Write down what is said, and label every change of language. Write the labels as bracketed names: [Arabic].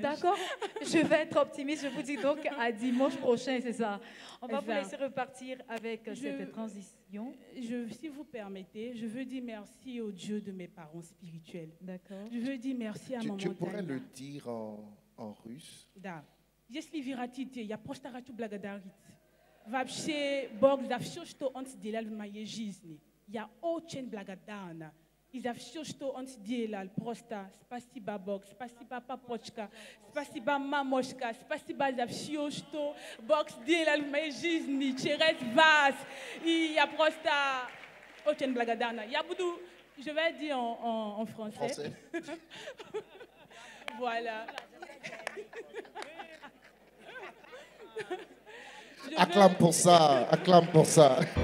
[French] D'accord, je vais être optimiste, je vous dis donc à dimanche prochain, c'est ça. On va vous laisser repartir avec cette transition. Si vous permettez, je veux dire merci au Dieu de mes parents spirituels. D'accord. Je veux dire merci à mon Dieu. Tu pourrais le dire en russe? [Russian] Da. Если виратите, я просто хочу благодарить. Вообще, Бог за все, что Он сделал в моей жизни. Я очень благодарна. И за все, что Он сделал, просто спасибо, Бог, спасибо, папочка, спасибо, мамочка, спасибо за все, что Бог сделал в моей жизни через вас. И я просто очень благодарна. Я буду, [French] je vais dire en français. Voilà. Acclame pour ça, acclame pour ça.